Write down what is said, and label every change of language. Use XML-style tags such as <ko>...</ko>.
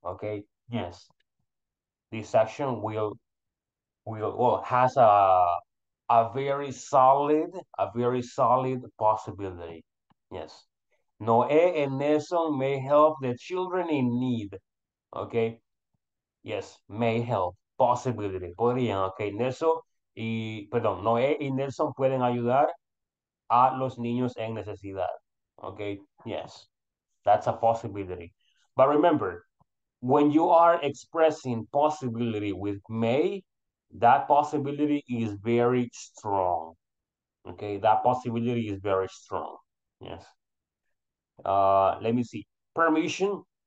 <en>Okay, yes, this action has a very solid possibility. Yes, Noé and Nelson may help the children in need. Okay, yes, may help. Possibility, podrían, okay.</en> <es>Noé y Nelson pueden ayudar a los niños en necesidad, okay.</es> <en>Yes, that's a possibility. But remember, when you are expressing possibility with may, that possibility is very strong, okay. That possibility is very strong, yes. Let me see, permission.</en>